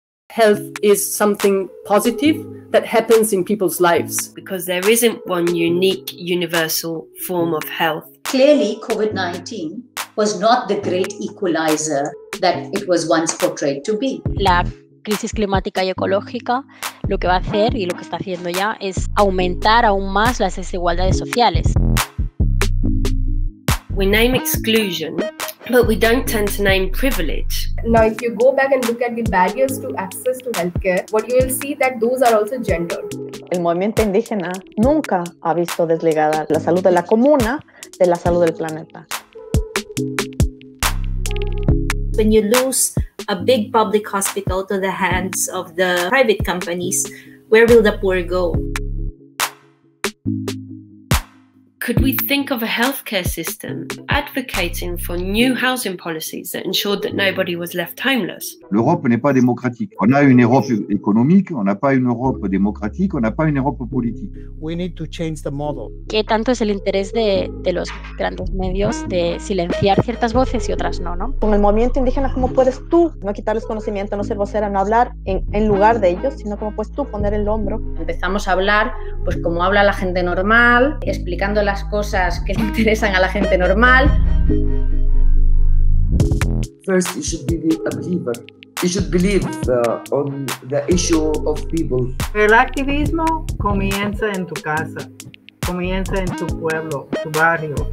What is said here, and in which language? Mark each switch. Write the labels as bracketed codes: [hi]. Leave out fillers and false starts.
[en] health is something positive that happens in people's lives. Because there isn't one unique, universal form of health. Clearly, COVID-19 was not the great equalizer that it was once portrayed to be. [es] La crisis climática y ecológica lo que va a hacer y lo que está haciendo ya es aumentar aún más las desigualdades sociales. [en] We name exclusion, but we don't tend to name privilege. Now, if you go back and look at the barriers to access to healthcare, what you will see that those are also gendered. [es] El movimiento indígena nunca ha visto desligada la salud de la comuna de la salud del planeta. [en] When you lose a big public hospital to the hands of the private companies, where will the poor go? Could we think of a healthcare system advocating for new housing policies that ensured that nobody was left homeless? [fr] L'Europe n'est pas démocratique. On a une Europe économique, on n'a pas une Europe démocratique, on n'a pas une Europe politique. [en] We need to change the model. [es] ¿Qué tanto es el interés de los grandes medios de silenciar ciertas voces y otras no, no? Con el movimiento indígena, ¿cómo puedes tú no quitarles conocimiento, no ser vocera, no hablar en lugar de ellos, sino cómo puedes tú poner el hombro? Empezamos a hablar, pues como habla la gente normal, explicando las cosas que le interesan a la gente normal. [en] First, you should be a believer. You should believe on the issue of people. [es] El activismo comienza en tu casa, comienza en tu pueblo, tu barrio.